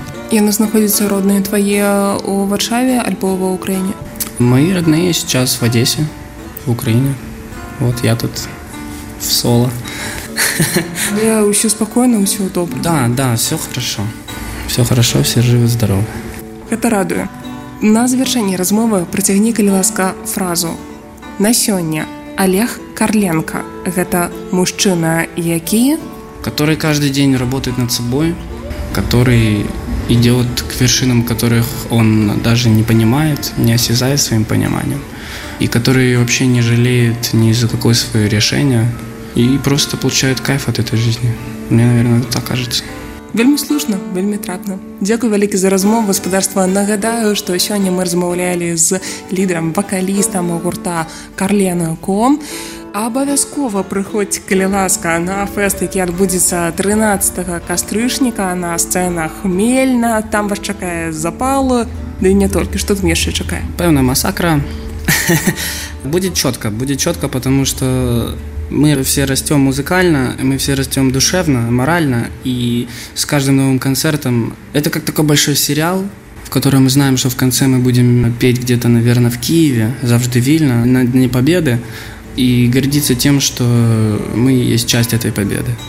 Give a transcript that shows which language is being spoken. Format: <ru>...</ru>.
<ru>И оно находится родные твои у Варшаве альбо в Украине? Мои родные сейчас в Одессе, в Украине. Вот я тут в соло. Да, все спокойно, все удобно. Да, да, все хорошо. Все хорошо, все живы-здоровы. Это радует.</ru> <be>На завершэнне размовы працягні, калі ласка, фразу. На сёння Олег Карленко – гэта мужчына, які…</be> <ru>Который каждый день работает над собой, который идёт к вершинам, которых он даже не понимает, не осязает своим пониманием, и который вообще не жалеет ни за какое своё решение и просто получает кайф от этой жизни. Мне, наверное, так кажется.</ru> <be>Вельмі слушна, вельмі трапна. Дзякую вялікі за размову, гаспадарства. Нагадаю, што сёння мы размаўлялі з лідарам, вакалістам гурта Карленко. Абавязкова прыходзь, калі ласка, на фэст, які адбудзецца 13 кастрычніка на сцэнах Хмельна. Там вас чакае запал, да і не толькі, што там яшчэ чакае. Пэўна, масакра.</be> <ru>будзіць чётка, потому што мы все растем музыкально, мы все растем душевно, морально, и с каждым новым концертом это как такой большой сериал, в котором мы знаем, что в конце мы будем петь где-то, наверное, в Киеве, завжди Вильно, на Дне Победы, и гордиться тем, что мы есть часть этой победы.</ru>